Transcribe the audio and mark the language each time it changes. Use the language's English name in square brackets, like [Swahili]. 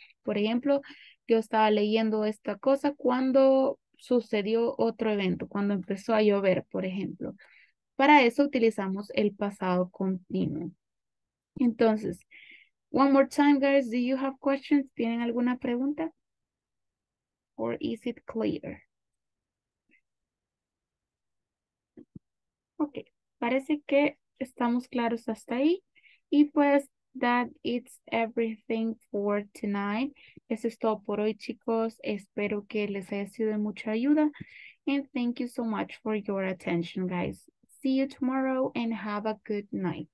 [Spanish] Por ejemplo, yo estaba leyendo esta cosa cuando sucedió otro evento, cuando empezó a llover, por ejemplo. Para eso utilizamos el pasado continuo. [English] Entonces, one more time, guys, do you have questions? [Spanish] ¿Tienen alguna pregunta? [English] Or is it clear? [Spanish] Ok, parece que estamos claros hasta ahí. Y pues, [English] that it's everything for tonight. [Spanish] Eso es todo por hoy, chicos. Espero que les haya sido de mucha ayuda. [English] And thank you so much for your attention, guys. See you tomorrow and have a good night.